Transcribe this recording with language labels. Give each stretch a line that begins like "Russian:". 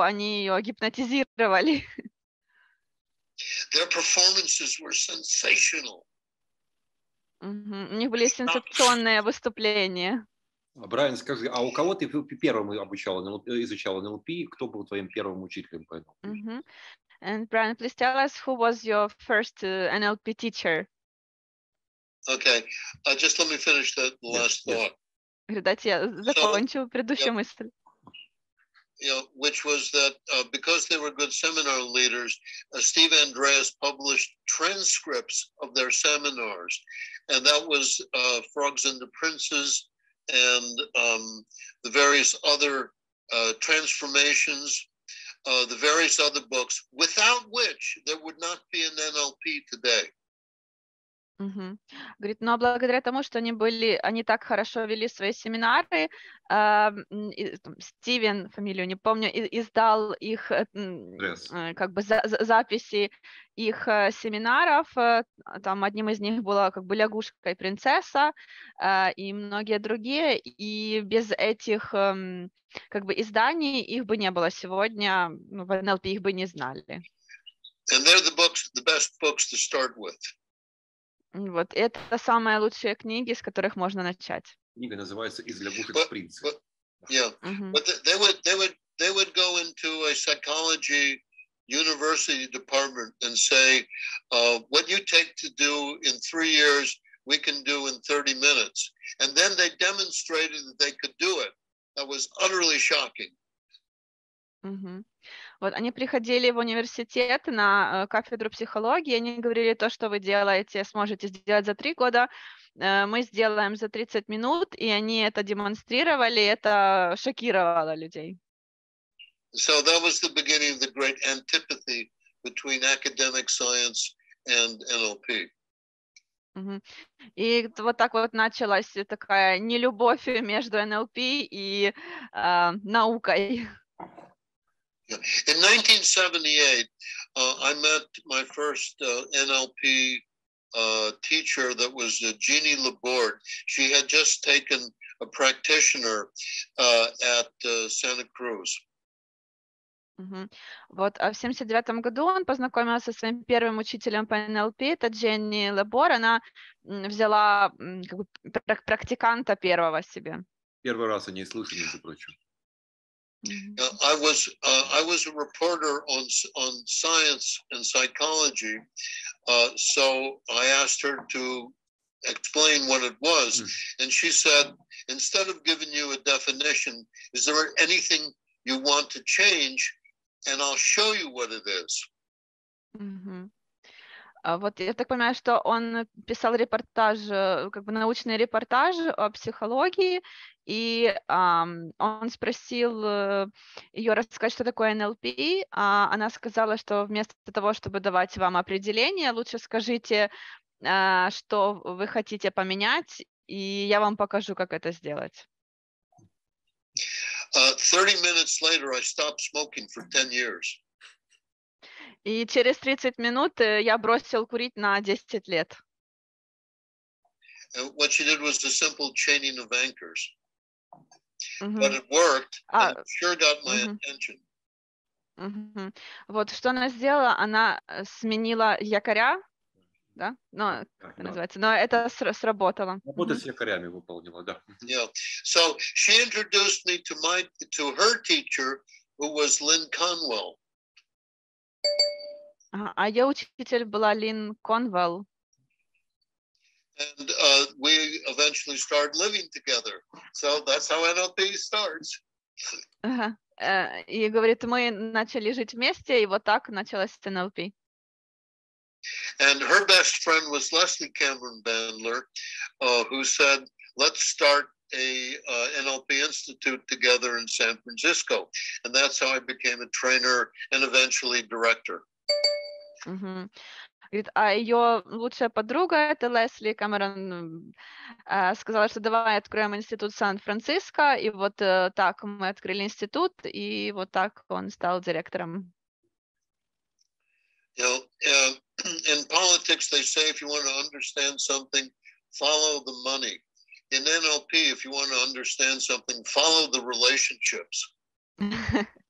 Russian: Они ее гипнотизировали.
English: Their performances were sensational.
Russian: У них были сенсационные выступления. Брайан, скажи, а у кого ты первым обучал, изучал NLP? Кто был твоим первым учителем по NLP?
English: And Brian, please tell us who was your first NLP teacher. Okay, just let me finish the last thought.
Russian: Я закончу предыдущую мысль.
English: You know, which was that because they were good seminar leaders, Steve Andreas published transcripts of their seminars. And that was Frogs and the Princes and the various other transformations, the various other books, without which there would not be an NLP today. Mm-hmm.
Russian: Говорит, но благодаря тому, что они так хорошо вели свои семинары, Стивен, фамилию не помню, издал их как бы записи их семинаров, там одним из них была как бы лягушка и принцесса, и многие другие, и без этих как бы изданий их бы не было сегодня, в NLP их бы не знали.
English: And they're the books, the best books to start with.
Russian: Вот это самые лучшие книги, с которых можно начать. Книга называется «Из лягушек в принц». Yeah, mm-hmm.
English: But they would go into a psychology university department and say, what you take to do in 3 years, we can do in 30 minutes. And then they demonstrated that they could do it. That was utterly shocking. Mm-hmm.
Russian: Вот они приходили в университет на кафедру психологии, они говорили, то, что вы делаете, сможете сделать за 3 года, мы сделаем за 30 минут, и они это демонстрировали, это шокировало людей.
English: So that was the beginning of the great antipathy between academic science and NLP.
Russian: Mm-hmm. И вот так вот началась такая нелюбовь между NLP и наукой.
English: In 1978, I met my first NLP teacher that was Jeannie Laborde. She had just taken a practitioner at Santa Cruz. Mm-hmm.
Russian: Вот, а в 79 году он познакомился со своим первым учителем по NLP, это Дженни Лабор. Она взяла как бы, практиканта первого себе. Первый раз о ней слышали, между прочим.
English: I was a reporter on science and psychology, so I asked her to explain what it was, and she said, instead of giving you a definition, is there anything you want to change, and I'll show you what it is. Mm-hmm.
Russian: Вот я так понимаю, что он писал репортаж, как бы научный репортаж о психологии, и он спросил ее рассказать, что такое NLP, а она сказала, что вместо того, чтобы давать вам определение, лучше скажите, что вы хотите поменять, и я вам покажу, как это сделать.
English: 30 minutes later, I stopped smoking for 10 years.
Russian: И через 30 минут я бросил курить на 10 лет.
English: What she did was the simple chaining of anchors. Mm-hmm. But it worked. It sure got my attention. Mm-hmm.
Russian: Вот что она сделала, она сменила якоря, да? Но, как это называется? Но это сработало. Работа с якорями выполнила, да.
English: Yeah. So she introduced me to her teacher, who was Lynn Conwell.
Russian: А ее учитель была Лин Конвелл.
English: And we eventually started living together. So that's how NLP starts.
Russian: И говорит, мы начали жить вместе, и вот так началось NLP.
English: And her best friend was Leslie Cameron Bandler, who said, let's start a NLP institute together in San Francisco. And that's how I became a trainer and eventually director. Mm-hmm.
Russian: Говорит, а ее лучшая подруга, это Лесли Кэмерон, сказала, что давай откроем институт Сан-Франциско, и вот так мы открыли институт, и вот так он стал директором.
English: You know, in politics, they say if you want to understand something, follow the money. In NLP, if you want to understand something, follow the relationships.